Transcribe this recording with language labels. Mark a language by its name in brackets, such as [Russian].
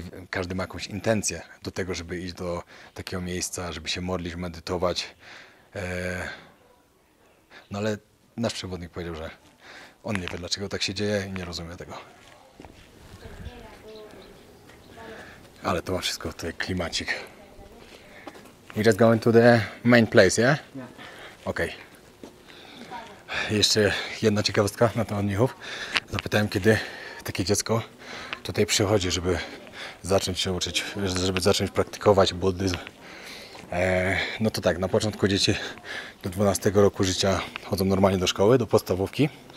[Polish] Każdy ma jakąś intencję do tego, żeby iść do takiego miejsca, żeby się modlić, medytować. No ale nasz przewodnik powiedział, że on nie wie dlaczego tak się dzieje i nie rozumie tego. Ale to ma wszystko tutaj klimacik. [English] We just going to the main place, yeah? Okej. Okay. [Polish] Jeszcze jedna ciekawostka na temat mnichów. Zapytałem, kiedy takie dziecko tutaj przychodzi, żeby zacząć się uczyć, żeby zacząć praktykować buddyzm. No to tak, na początku dzieci do 12 roku życia chodzą normalnie do szkoły, do podstawówki.